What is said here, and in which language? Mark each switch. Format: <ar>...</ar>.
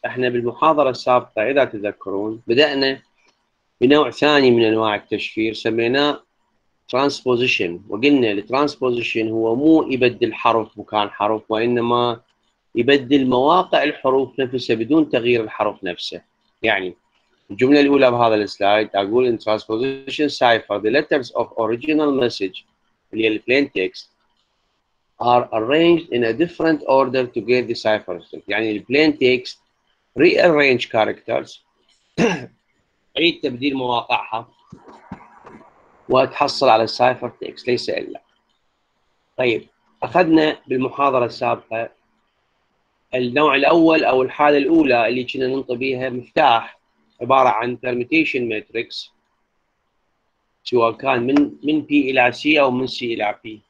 <ar>احنا بالمحاضرة السابقة إذا تذكرون بدأنا بنوع ثاني من أنواع التشفير سميناه transposition، وقلنا الترانسبوزيشن هو مو يبدل حرف مكان حرف، وإنما يبدل مواقع الحروف نفسها بدون تغيير الحرف نفسه. يعني الجملة الأولى بهذا السلايد أقول</ar> <en>in transposition cipher the letters of original message</en> <ar>اللي هي</ar> <en>plain text are arranged in a different order to get the cipher.</en> <ar>يعني الـ</ar> <en>plain text rearrange characters</en> <ar>عيد تبديل مواقعها وتحصل على cipher text، ليس إلا. طيب أخذنا بالمحاضرة السابقة النوع الأول أو الحالة الأولى اللي كنا ننطي بها مفتاح عبارة عن permutation matrix سواء كان من P إلى C أو من C إلى P.</ar>